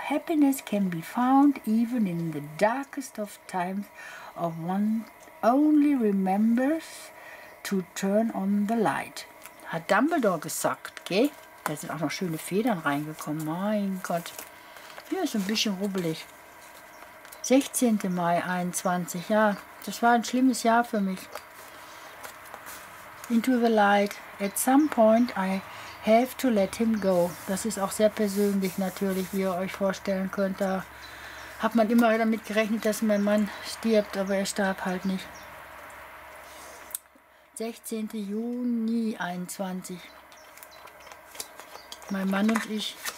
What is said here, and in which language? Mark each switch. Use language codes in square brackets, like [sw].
[en] Happiness can be found even in the darkest of times of one only remembers to turn on the light. [de] Hat Dumbledore gesagt, gell? Da sind auch noch schöne Federn reingekommen. Mein Gott. Hier ist ein bisschen rubbelig. 16. Mai 21. Ja, das war ein schlimmes Jahr für mich. [en] Into the light. At some point I have to let him go. [de] Das ist auch sehr persönlich natürlich, wie ihr euch vorstellen könnt. Da hat man immer damit gerechnet, dass mein Mann stirbt, aber er starb halt nicht. 16. Juni 21. Mein Mann und ich.